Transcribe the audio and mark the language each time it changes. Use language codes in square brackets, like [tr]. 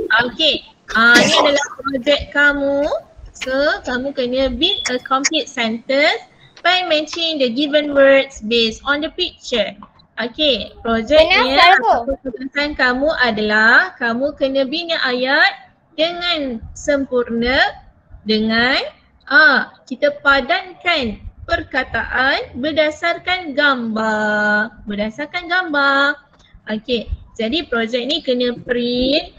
[ms] Okay, ini adalah projek kamu. [en] So, [ms] kamu kena [en] build a complete sentence by mentioning the given words based on the picture. [ms] Okay, projeknya tugasan kamu adalah kamu kena bina ayat dengan sempurna dengan kita padankan perkataan berdasarkan gambar. Berdasarkan gambar. Okay, jadi projek ni kena print.